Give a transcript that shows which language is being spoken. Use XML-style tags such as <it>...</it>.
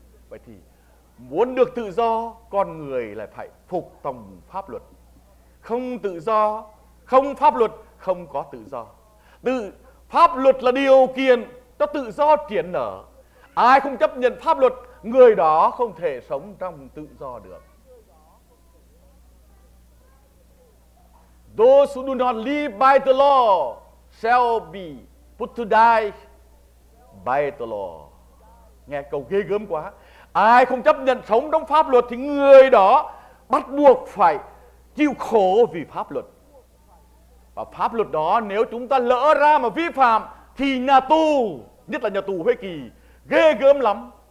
<vi>Vậy thì muốn được tự do, con người lại phải phục tùng pháp luật. Không tự do, không pháp luật, không có tự do. Pháp luật là điều kiện cho tự do triển nở. Ai không chấp nhận pháp luật, người đó không thể sống trong tự do được.</vi> <en>Those who do not live by the law shall be put to die by the law.</en> <vi>Nghe câu ghê gớm quá. Ai không chấp nhận sống trong pháp luật thì người đó bắt buộc phải chịu khổ vì pháp luật. Và pháp luật đó nếu chúng ta lỡ ra mà vi phạm thì nhà tù, nhất là nhà tù Huế Kỳ, ghê gớm lắm.</vi>